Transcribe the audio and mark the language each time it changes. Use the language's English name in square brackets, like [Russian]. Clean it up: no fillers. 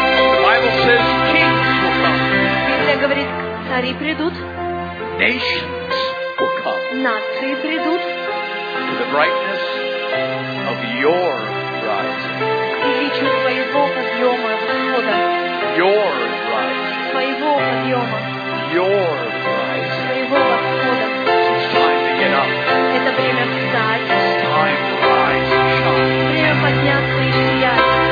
[English] The Bible says kings will come. [Russian] Библия говорит, цари придут. [English] Nations will come. [Russian] Нации придут. [English] To the brightness of your rising. [Russian] К величию твоего подъема, Господа. [English] Your rising. [Russian] Твоего подъема. [English] Your rising. [Russian] Твоего восхода. Это время встать. Время подняться и сиять.